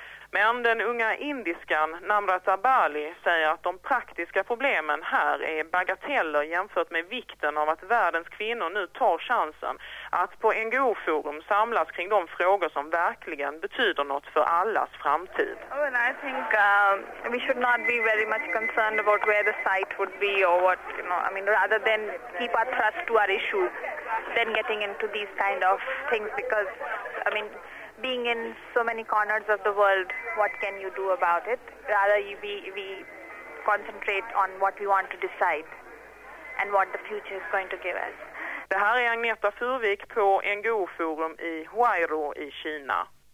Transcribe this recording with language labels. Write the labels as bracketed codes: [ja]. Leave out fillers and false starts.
[sv] Men den unga indiskan Namrata Bali säger att de praktiska problemen här är bagateller jämfört med vikten av att världens kvinnor nu tar chansen att på NGO-forum samlas kring de frågor som verkligen betyder något för allas framtid. [en] Oh, and I think we should not be very much concerned about where the site would be or what, you know, I mean, rather than keep our trust to our issues than getting into these kind of things because, I mean, being in so many corners of the world, what can you do about it? Rather, we concentrate on what we want to decide and what the future is going to give us. [sv] Det här är Agneta Furvik på NGO-forum i Huairu i Kina.